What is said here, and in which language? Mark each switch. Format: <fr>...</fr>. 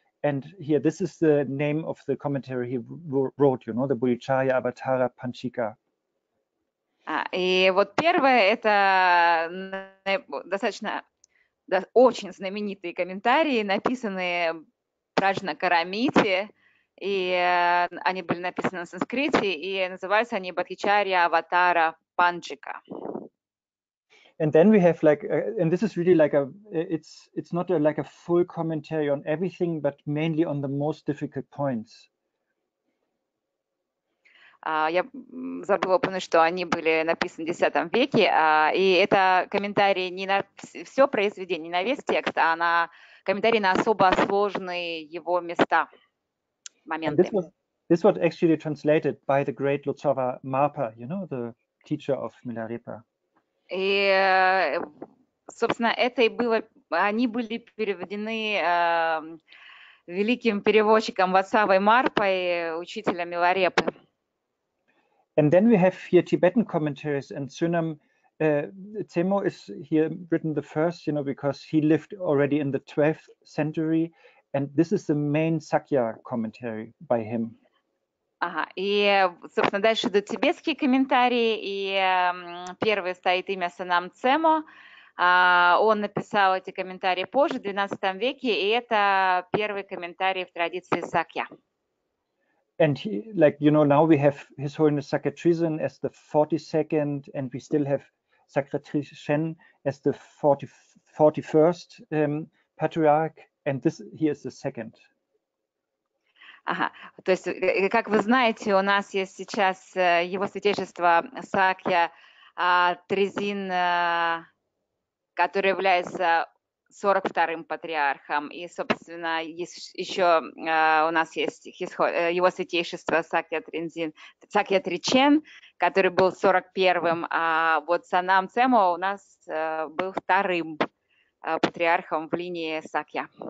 <en>And here, this is the name of the commentary he wrote. You know, the Bodhicharya Avatara Panchika.</en> <ru>И вот первое это достаточно. Да, очень знаменитые комментарии, написанные Прадж Карамити, и они были написаны на санскрите, и называются они Бхатхичарья Аватара Панчика.</ru> <en>And then we have like, and this is really like a, it's not a, like a full commentary on everything, but mainly on the most difficult points.</en> <ru>Я забыла упомянуть, что они были написаны в X веке, и это комментарии не на все произведение, не на весь текст, а на комментарии на особо сложные его места, моменты.</ru> <en>This was actually translated by the great Lotsava Marpa, you know, the teacher of Milarepa.</en> <ru>И, собственно, это и было, они были переведены великим переводчиком Лотсавой Марпой, учителем Миларепы.</ru> <en>And then we have here Tibetan commentaries, and Tsunam Tsemo is here written the first, you know, because he lived already in the 12th century, and this is the main Sakya commentary by him.</en> <ru>Ага, и, собственно, дальше идут тибетские комментарии, и первый стоит имя Цунам Цемо. Он написал эти комментарии позже, в 12 веке, и это первый комментарий в традиции Сакья.</ru> <en>And he, like, you know, now we have His Holiness Sakyatrizen as the 42nd, and we still have Sakyatrizen as the 41st patriarch, and this here is the second.</en> <ru>То есть, как вы знаете, у нас есть сейчас его святейшество Сакья Трезин, который является 42-м патриархом. И, собственно, еще у нас есть его святейшество Сакья Тричен, который был 41-м, а вот Санам Цемо у нас был 2-м патриархом в линии Сакья.</ru>